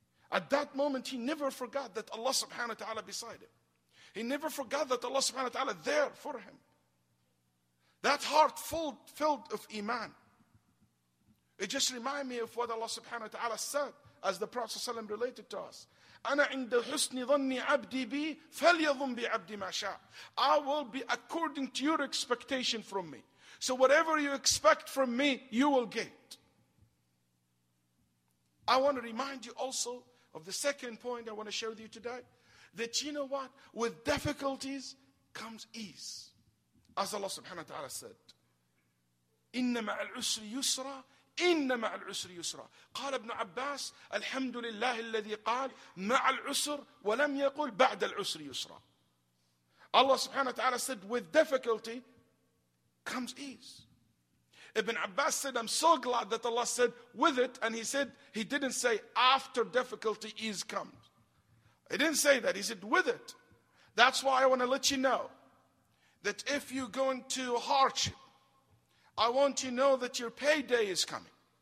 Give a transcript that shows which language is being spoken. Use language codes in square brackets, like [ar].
[en] At that moment, he never forgot that Allah subhanahu wa ta'ala beside him. He never forgot that Allah subhanahu wa ta'ala there for him. That heart filled of iman. It just reminds me of what Allah subhanahu wa ta'ala said as the Prophet ﷺ related to us. [ar] أنا عند حسن ظني عبدي بي فليظن بعبدي ما شاء. [en] I will be according to your expectation from me. So whatever you expect from me, you will get. I want to remind you also of the second point I want to share with you today. That you know what? With difficulties comes ease. As Allah subhanahu wa ta'ala said, [ar] إِنَّ مَعَ الْعُسْرِ يُسْرَى إِنَّ مَعَ الْعُسْرِ يُسْرَى قال ابن عباس الحمد لله الذي قال مع العسر ولم يقول بعد العسر يسرى. [en] Allah subhanahu wa ta'ala said, with difficulty comes ease. Ibn Abbas said, I'm so glad that Allah said with it, and he said, he didn't say after difficulty ease comes. He didn't say that. He said with it. That's why I want to let you know that if you go into hardship, I want you to know that your payday is coming.